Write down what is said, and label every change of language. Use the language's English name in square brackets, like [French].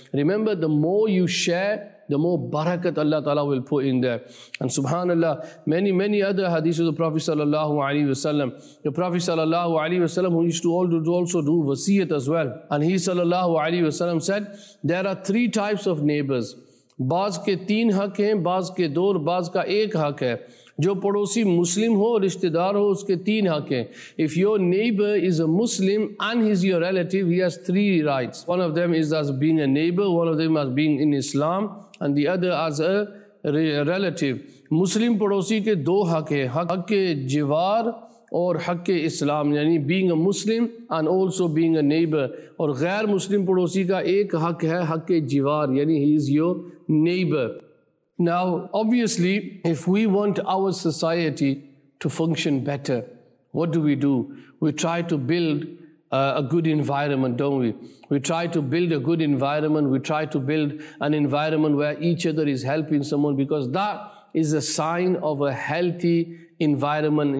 [English] Remember, the more you share, the more barakat Allah Ta'ala will put in there. And subhanallah, many, many other hadiths of the Prophet sallallahu alaihi wasallam. The Prophet sallallahu alaihi wasallam, who used to also do wasiyat as well. And he sallallahu alaihi wasallam said, there are three types of neighbors. [Urdu] بعض کے تین حق ہیں, بعض کے دو, اور بعض کا ایک حق ہے. جو پڑوسی مسلم ہو, رشتہ دار ہو, اس کے تین حق ہیں. [English] If your neighbor is a Muslim and he's your relative, he has three rights. One of them is as being a neighbor, one of them as being in Islam, and the other as a relative. [Urdu] مسلم پڑوسی کے دو حق ہیں, حق جوار اور حق اسلام, یعنی [English] being a Muslim and also being a neighbor. [Urdu] اور غیر مسلم پڑوسی کا ایک حق ہے, حق جوار, یعنی [English] he is your neighbor. Now, obviously, if we want our society to function better, what do? We try to build a good environment, don't we? We try to build a good environment. We try to build an environment where each other is helping someone, because that is a sign of a healthy environment.